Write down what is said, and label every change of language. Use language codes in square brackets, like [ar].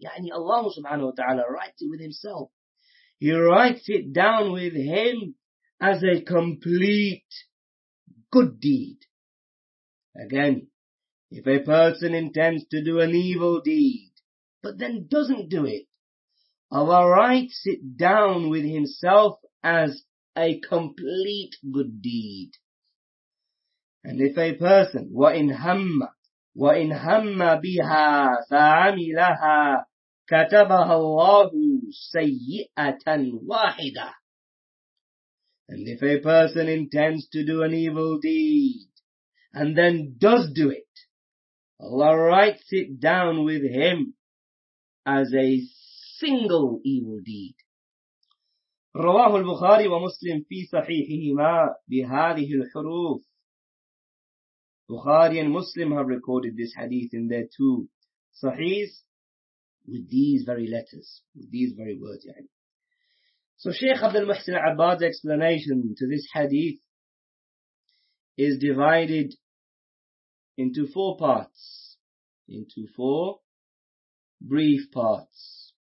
[ar] يعني [en] Allah subhanahu wa ta'ala writes it with himself. He writes it down with him as a complete good deed. Again, if a person intends to do an evil deed, but then doesn't do it, Allah writes it down with himself as a complete good deed. And if a person, [ar] وَإِنْ هَمَّ بِهَا فَعَمِلَهَا كَتَبَهَا اللَّهُ سَيِّئَةً وَاحِدَةً. [en] And if a person intends to do an evil deed, and then does do it, Allah writes it down with him as a single evil deed. [ar] رواه البخاري ومسلم في صحيحهما بهذه الحروف. [en] Bukhari and Muslim have recorded this hadith in their two sahihs with these very letters, with these very words. [ar] يعني. [en] So Shaykh Abdul Muhsin Abbad's explanation to this hadith is divided into four parts, into four brief parts.